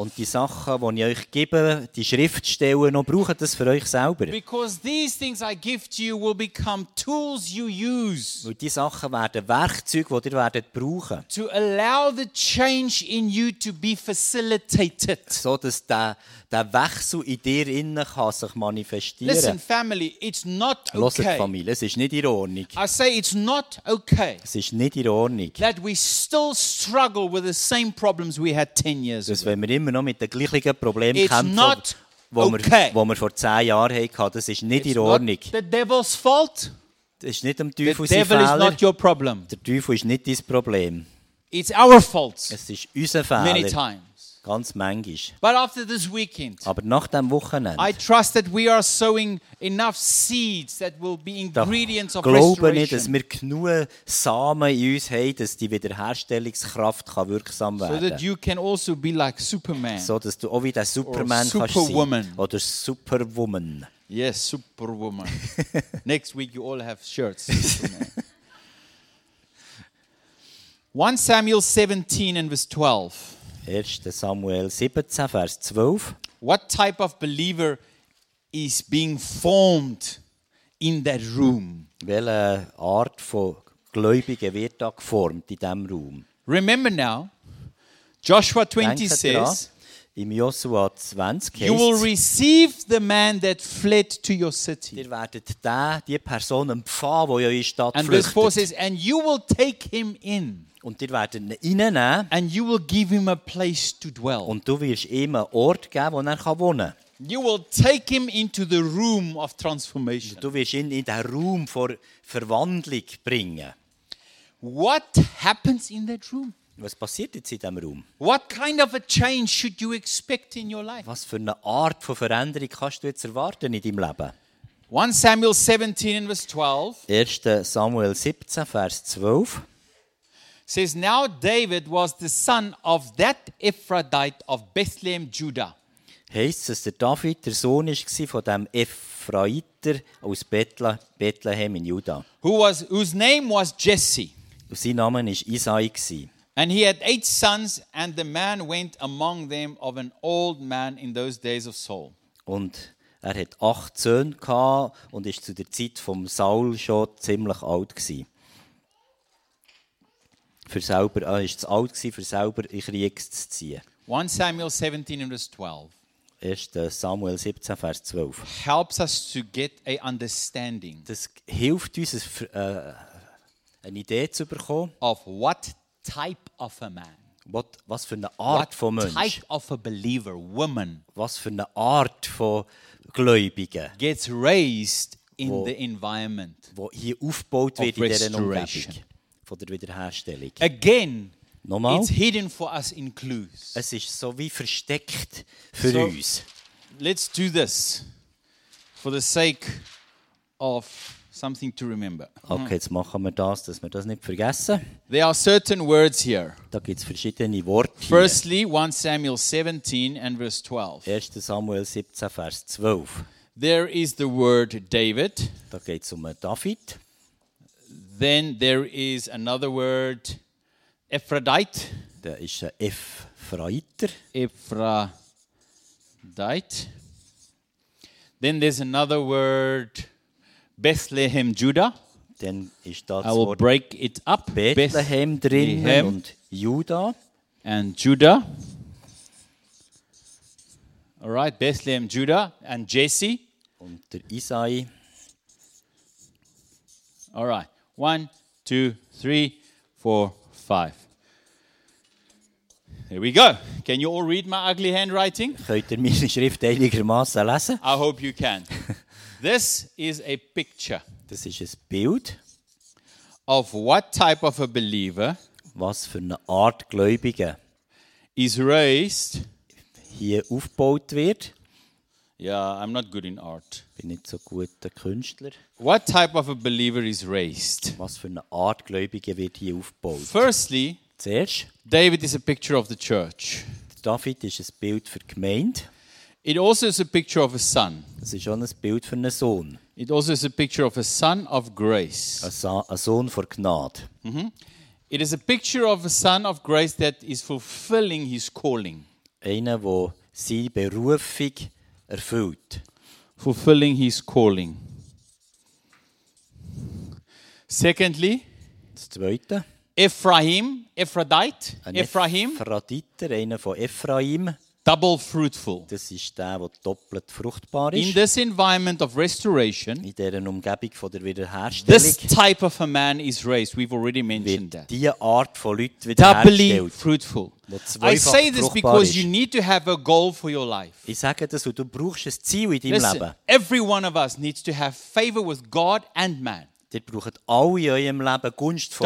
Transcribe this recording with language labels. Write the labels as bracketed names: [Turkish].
[German] Und die Sachen, die ich euch gebe, die Schriftstellen, noch brauchen das für euch selber. [English] Because these things I give to you will become tools you use. [German] Weil die Sachen werden Werkzeuge, die ihr werdet brauchen. [English] To allow the change in you to be facilitated. [German] So dass der Wechsel in dir innen kann sich manifestieren. [English] Listen, family, it's not okay. [German] Hört, Familie, es ist nicht in Ordnung. [English] I say it's not okay. [German] Es ist nicht in Ordnung. [English] That we still struggle with the same problems we had 10 years ago. [German] Dass wenn wir immer noch mit den gleichen Problemen [English] it's [German] kämpfen, [English] not [German] wo, [English] okay. [German] wo wir vor 10 Jahren hatten, das ist nicht [English] it's [German] in Ordnung. [English] Not the devil's fault. [German] Das ist nicht dem Teufel [English] the devil [German] sein [English] is not your problem. [German] Der Teufel ist nicht dein Problem. [English] It's our fault. [German] Es ist unser Fehler. [English] Many times. [German] Ganz manchmal. [English] But after this weekend. [German] Aber nach dem Wochenende. [English] I trust that we are sowing enough seeds that will be ingredients of [German] glaube Glaube nicht, dass wir genug Samen in uns haben, dass die Wiederherstellungskraft kann wirksam werden. [English] So that you can also be like Superman. [German] So dass du auch wie der Superman kannst sein. Superwoman. Oder Superwoman. [English] Yes, Superwoman. Next week you all have shirts. One Samuel 17 and verse 12. [German] 1. Samuel 17, Vers 12. [English] What type of believer is being formed in that room? [German] Welche Art von Gläubigen wird da geformt in diesem Raum? [English] Remember now, Joshua 20 says, [German] im Joshua 20 [English] you will receive the man that fled to your city. [German] Ihr werdet die Person empfangen, die eure Stadt [English] and [German] flüchtet. [English] Verse 4 says, and you will take him in. [German] Und ihr werdet ihn reinnehmen. [English] And you will give him a place to dwell. [German] Und du wirst ihm einen Ort geben, wo er wohnen kann. [English] You will take him into the room of transformation. [German] Du wirst ihn in den Raum der Verwandlung bringen. [English] What happens in that room? [German] Was passiert jetzt in diesem Raum? [English] What kind of a change should you expect in your life? [German] Was für eine Art von Veränderung kannst du jetzt erwarten in deinem Leben? [English] 1 Samuel 17, and verse 12. [German] 1. Samuel 17, Vers 12. [English] Says now David was the son of that Ephraite of Bethlehem Judah. [German] Heißt es, der David der Sohn ist gsi von dem Ephraiter aus Bethlehem in Juda. [English] Whose name was Jesse. [German] Und sein Name ist Isai gsi. [English] And he had 8 sons, and the man went among them of an old man in those days of Saul. [German] Und er hat 8 Söhne gha und ist zu der Zeit vom Saul schon ziemlich alt gsi. Für selber, ist zu alt gewesen, für selber in Krieg zu ziehen. 1 Samuel 17, Vers 12. 1. Samuel 17, Vers 12. [English] Helps us to get a understanding. [German] Das hilft uns, eine Idee zu bekommen. [English] Of what type of a man. [German] Was für eine Art [English] what [German] von Mensch. [English] Type of a believer, woman. [German] Was für eine Art von Gläubigen. [English] Gets raised in the environment. [German] Wo hier aufgebaut wird in dieser Umgebung. Von der Wiederherstellung. [English] Again, [German] nochmal. [English] It's hidden for us in clues. [German] Es ist so wie versteckt für so, uns. [English] Let's do this for the sake of something to remember. [German] Okay, jetzt machen wir das, dass wir das nicht vergessen. [English] There are certain words here. [German] Da gibt's verschiedene Worte. [English] Firstly, 1 Samuel 17 and verse 12. [German] 1. Samuel 17, Vers 12. [English] There is the word David. [German] Da geht's David. [English] Then there is another word, Ephraite. [German] Da ist ein Ephraiter. [English] Ephraite. Then there's another word, Bethlehem Judah. [German] Dann ist das [English] I will break it up. [German] Bethlehem drin und Judah. [English] And Judah. All right, Bethlehem Judah and Jesse. [German] Und der Isai. [English] All right. 1, 2, 3, 4, 5. Here we go. Can you all read my ugly handwriting? [German] Könnt ihr meine Schrift einigermaßen lesen? [English] I hope you can. This is a picture. [German] Das ist ein Bild. [English] Of what type of a believer? [German] Was für eine Art Gläubige? [English] Is raised. [German] Hier aufgebaut wird. [English] Yeah, I'm not good in art. [German] Bin nicht so guter Künstler. [English] What type of a believer is raised? [German] Was für eine Art Gläubige wird hier aufgebaut? [English] Firstly. [German] Zuerst, [English] David is a picture of the church. [German] David ist ein Bild für die Gemeinde. [English] It also is a picture of a son. [German] Das ist auch ein Bild für einen Sohn. [English] It also is a picture of a son of grace. [German] A Sohn von Gnade. Mm-hmm. [English] It is a picture of a son of grace that is fulfilling his calling. [German] Einer, wo seine Berufung erfüllt. [English] Fulfilling his calling. Secondly. [German] Das Zweite. [English] Ephraim, Ephradite, [German] ein Ephraim. Ephraditer, einer von Ephraim. [English] Double fruitful. [German] Das ist der, der doppelt fruchtbar ist. [English] In this environment of restoration. [German] In dieser Umgebung von der Wiederherstellung. [English] This type of a man is raised. We've already mentioned that. [German] Die Art von Leuten wird hergestellt. [English] Doubly fruitful. I say this because you need to have a goal for your life. [German] Ich sage das, weil du brauchst ein Ziel in deinem Leben. [English] Every one of us needs to have favor with God and man. [German] Ihr braucht alle in eurem Leben Gunst von